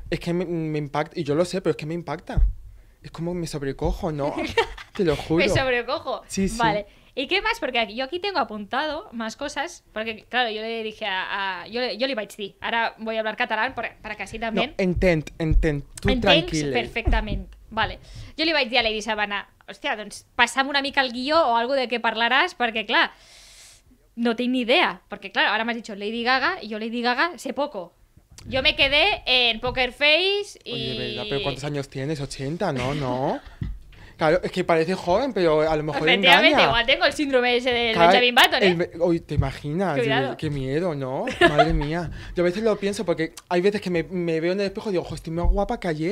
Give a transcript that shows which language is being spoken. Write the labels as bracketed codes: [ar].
[es] Es que me impacta. Y yo lo sé, pero es que me impacta. Es como me sobrecojo, ¿no? Te lo juro. Me sobrecojo. Sí. Vale. ¿Y qué más? Porque yo aquí tengo apuntado más cosas, porque claro, yo le dije a yo [ca] le vaig dir, ara [es] voy a hablar catalán para que así también. [ca] No, entenc, tu tranquil. Entenc perfectament. Vale. Jo li vaig dir a Lady Sabana, hòstia, doncs passa'm una mica el guió o algo de què parlaràs, perquè clar, no tinc ni idea, perquè clar, ara m'has dit Lady Gaga, i jo Lady Gaga [es] sé poco. Jo me quedé en Poker Face i... Oye, ¿verdad? ¿Pero cuántos años tienes? 80, ¿no? ¿No? Claro, es que parece joven, pero a lo mejor engaña. Efectivamente, igual tengo el síndrome ese del Benjamin Button, ¿eh? Uy, ¿te imaginas? Qué miedo, ¿no? Madre mía. Yo a veces lo pienso porque hay veces que me veo en el espejo y digo, estoy más guapa que ayer.